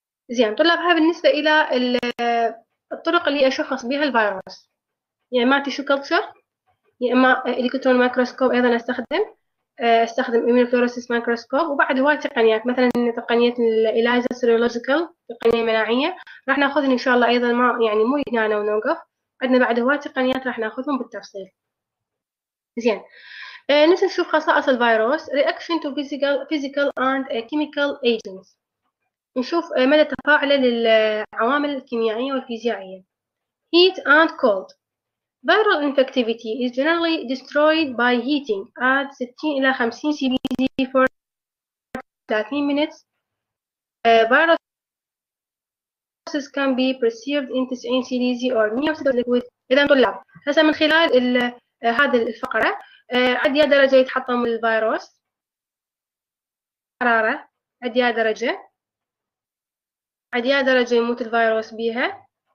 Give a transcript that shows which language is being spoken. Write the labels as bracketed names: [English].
[Arabic] زين طلاب، هاي بالنسبة إلى الطرق اللي أشخص بها الفيروس، يا إما تيشو كلتشر، يا إما إلكترون مايكروسكوب، أيضا أستخدم إيميونوفلوريسيس مايكروسكوب، وبعد هواي تقنيات مثلا تقنية الإلايزا سيرولوجيكال، تقنية مناعية راح ناخذها إن شاء الله أيضا، ما يعني مو هنا ونوقف، عندنا بعد هواي تقنيات راح ناخذهم بالتفصيل. زين نسأل نشوف خصائص الفيروس، [English] reaction to physical and chemical agents، [Arabic] نشوف مدى تفاعله للعوامل الكيميائية والفيزيائية. [English] heat and cold، viral infectivity is generally destroyed by heating at 60 إلى 50 cbz for 30 minutes. viruses can be preserved in 90 cbz or 100 liquid. [Arabic] إذا طلاب هسا من خلال هذه الفقرة، عد يا درجة يتحطم الفيروس، حرارة عد يا درجة، عد يا درجة يموت الفيروس بيها،